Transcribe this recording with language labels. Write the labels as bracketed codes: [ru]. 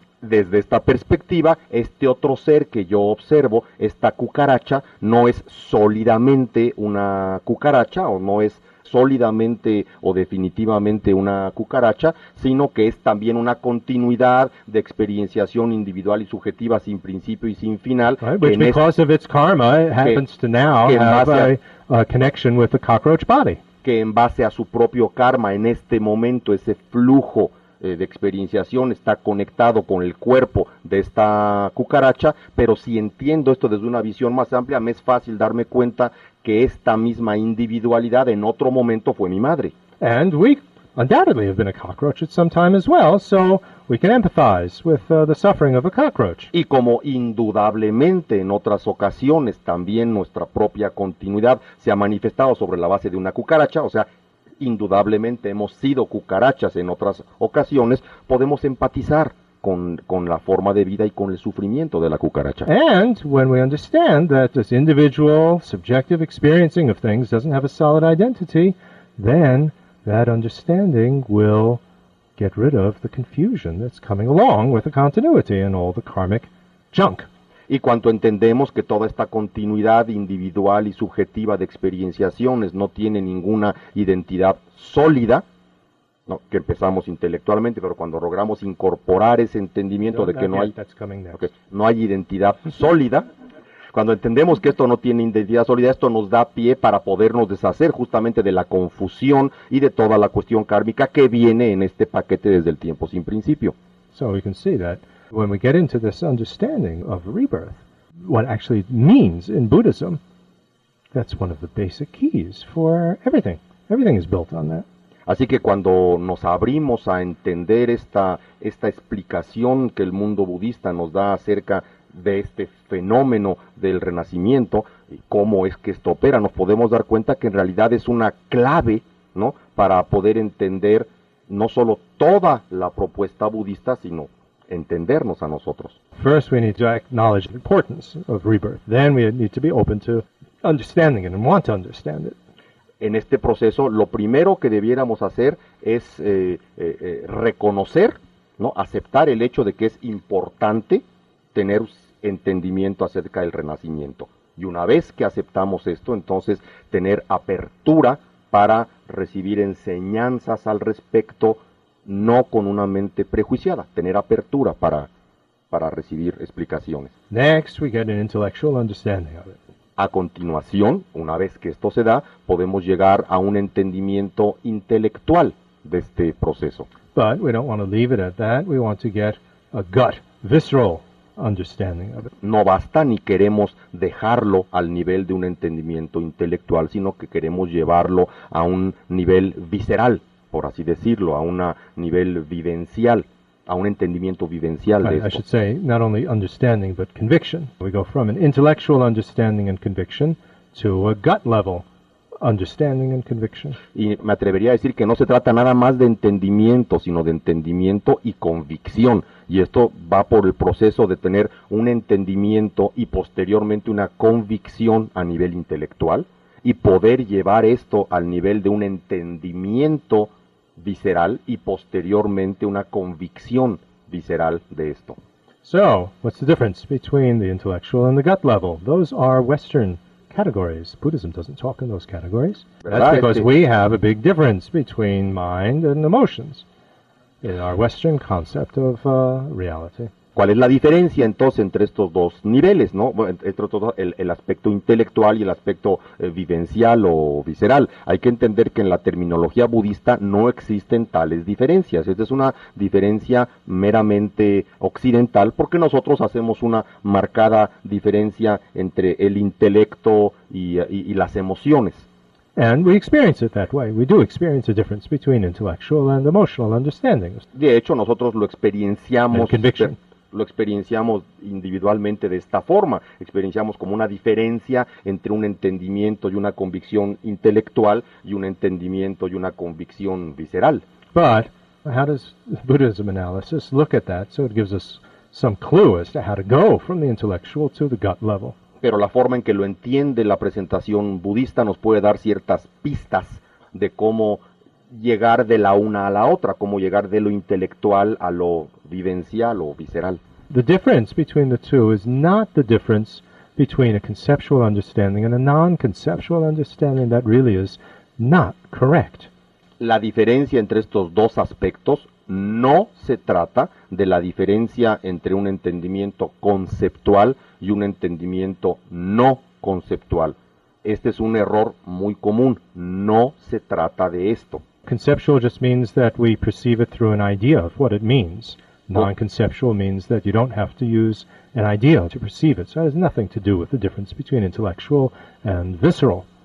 [es] Desde esta perspectiva, este otro ser que yo observo, esta cucaracha, no es sólidamente una cucaracha, o no es sólidamente o definitivamente una cucaracha, sino que es también una continuidad de experienciación individual y subjetiva sin principio y sin final. [en] Right, which, because of its karma, it happens to now have a connection with the cockroach body. [es] Que en base a su propio karma, en este momento, ese flujo de experienciación está conectado con el cuerpo de esta cucaracha, pero si entiendo esto desde una visión más amplia, me es fácil darme cuenta que esta misma individualidad en otro momento fue mi madre. [en] And we undoubtedly have been a cockroach at some time as well, so we can empathize with the suffering of a cockroach. [es] Y como indudablemente en otras ocasiones también nuestra propia continuidad se ha manifestado sobre la base de una cucaracha, o sea, indudablemente hemos sido cucarachas en otras ocasiones, podemos empatizar con la forma de vida y con el sufrimiento de la cucaracha. [en] And when we understand that this individual subjective experiencing of things doesn't have a solid identity, then that understanding will get rid of the confusion that's coming along with the continuity and all the karmic junk. [es] Y cuando entendemos que toda esta continuidad individual y subjetiva de experienciaciones no tiene ninguna identidad sólida, no, que empezamos intelectualmente, pero cuando logramos incorporar ese entendimiento de que no hay identidad sólida, cuando entendemos que esto no tiene identidad sólida, esto nos da pie para podernos deshacer justamente de la confusión y de toda la cuestión kármica que viene en este paquete desde el tiempo sin principio. [en] So we can see that. When we get into this understanding of rebirth, what actually means in Buddhism, that's one of the basic keys for everything. Everything is built on that. [es] Así que cuando nos abrimos a entender esta explicación que el mundo budista nos da acerca de este fenómeno del renacimiento, y cómo es que esto opera, nos podemos dar cuenta que en realidad es una clave, ¿no?, para poder entender no solo toda la propuesta budista, sino entendernos a nosotros. [en] First, we need to acknowledge the importance of rebirth. Then we need to be open to understanding it and want to understand it. [es] En este proceso, lo primero que debiéramos hacer es reconocer, ¿no?, aceptar el hecho de que es importante tener entendimiento acerca del renacimiento. Y una vez que aceptamos esto, entonces tener apertura para recibir enseñanzas al respecto, no con una mente prejuiciada, tener apertura para recibir explicaciones. [en] Next, we get an intellectual understanding of it. [es] A continuación, una vez que esto se da, podemos llegar a un entendimiento intelectual de este proceso. [en] But we don't want to leave it at that. We want to get a gut, visceral understanding of it. [es] No basta ni queremos dejarlo al nivel de un entendimiento intelectual, sino que queremos llevarlo a un nivel visceral, por así decirlo, a un nivel vivencial, a un entendimiento vivencial de esto. [en] I should say, not only understanding, but conviction. We go from an intellectual understanding and conviction to a gut level understanding and conviction. [es] Y me atrevería a decir que no se trata nada más de entendimiento, sino de entendimiento y convicción. Y esto va por el proceso de tener un entendimiento y posteriormente una convicción a nivel intelectual, y poder llevar esto al nivel de un entendimiento visceral y posteriormente una convicción visceral de esto. [en] So, what's the difference between the intellectual and the gut level? Those are Western categories. Buddhism doesn't talk in those categories. [es] ¿Verdad? [en] That's because we have a big difference between mind and emotions. in our Western concept of reality. [es] ¿Cuál es la diferencia entonces entre estos dos niveles, ¿no? Entre todo el aspecto intelectual y el aspecto vivencial o visceral? Hay que entender que en la terminología budista no existen tales diferencias. Esta es una diferencia meramente occidental, porque nosotros hacemos una marcada diferencia entre el intelecto y las emociones. [en] And we experience it that way. We do experience a difference between intellectual and emotional understandings. [es] De hecho, nosotros lo experienciamos. [en] And conviction. [es] Lo experienciamos individualmente de esta forma, experienciamos como una diferencia entre un entendimiento y una convicción intelectual y un entendimiento y una convicción visceral. [en] But how does Buddhism analysis look at that so it gives us some clue as to how to go from the intellectual to the gut level? [es] Pero la forma en que lo entiende la presentación budista nos puede dar ciertas pistas de cómo llegar de la una a la otra, como llegar de lo intelectual a lo vivencial o visceral. [en] The difference between the two is not the difference between a conceptual understanding and a non-conceptual understanding that really is not correct. [es] La diferencia entre estos dos aspectos no se trata de la diferencia entre un entendimiento conceptual y un entendimiento no conceptual. Este es un error muy común. No se trata de esto. [en] Conceptual just means that we perceive it through an idea of what it means. Non-conceptual means that you don't have to use an idea to perceive it. So it has nothing to do with the difference between intellectual and visceral.